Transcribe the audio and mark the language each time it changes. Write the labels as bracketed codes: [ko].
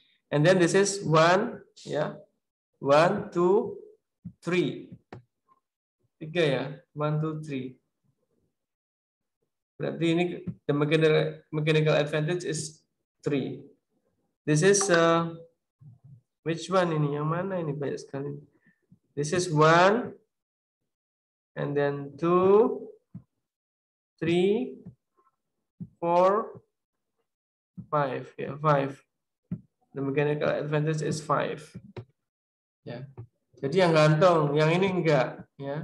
[en] And then this is one, ya. One, two, three. [id] Tiga ya. [en] One, two, three. [id] Berarti ini [en] the mechanical advantage is three. This is which one ini? [id] Yang mana ini banyak sekali. [en] This is one, and then two, three, four, five. Yeah, five. The mechanical advantage is five. Yeah. [id] Jadi yang gantung, yang ini enggak, ya.